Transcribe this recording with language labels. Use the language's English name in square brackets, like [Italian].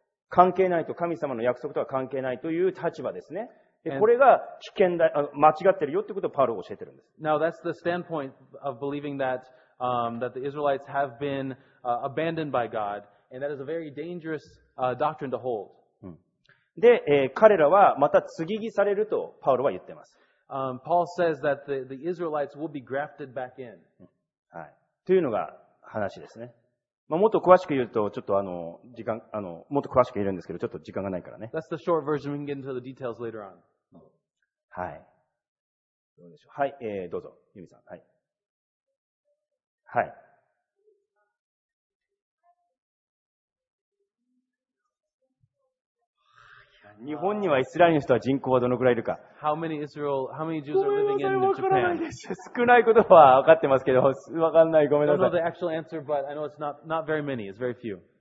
[Japanese] 関係ないと、神様の約束とは関係ないという立場ですね。で、これが危険だ、間違ってるよってことをパウロが教えてるんです。 [English] Now that's the standpoint of believing that the Israelites have been abandoned by God, and that is a very dangerous doctrine to hold. [Japanese] で、彼らはまた継ぎ木されるとパウロは言ってます。 [English] Paul says that the Israelites will be grafted back in. [Japanese] はい。というのが話ですね。まあ、もっと詳しく言うと、ちょっと時間、もっと詳しく言えるんですけど、ちょっと時間がないからね。 [English] That's the short version. We can get into the details later on. [Japanese] はい。どうでしょう。はい、どうぞ、ユミさん。はい。はい。日本にはイスラエルの人は人口はどのくらいいるか。 [English] How many Israel, how many Jews are living in Japan? [Japanese] ごめんなさい、わからないです。少ないことは分かってますけど、わかんない、ごめんなさい。 [English] I don't know the actual answer, but I know it's not very many, it's very few.